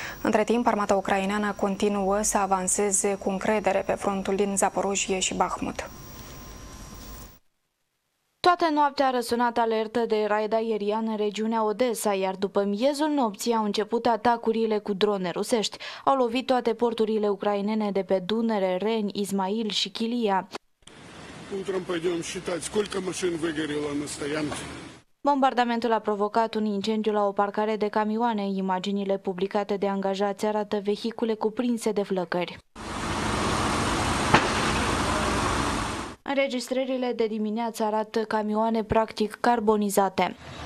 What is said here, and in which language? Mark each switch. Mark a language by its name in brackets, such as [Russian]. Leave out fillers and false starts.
[Romanian] Între timp, armata ucraineană continuă să avanseze cu încredere pe frontul din Zaporojie și Bahmut. Toată noaptea a răsunat alertă de raid aerian în regiunea Odessa, iar după miezul nopții au început atacurile cu drone rusești. Au lovit toate porturile ucrainene de pe Dunăre, Ren, Izmail și Chilia. [Russian] Утром пойдем считать, сколько машин выгорело на стоянке. [Romanian] Bombardamentul a provocat un incendiu la o parcare de camioane. Imaginile publicate de angajați arată vehicule cuprinse de flăcări. Înregistrările de dimineață arată camioane practic carbonizate.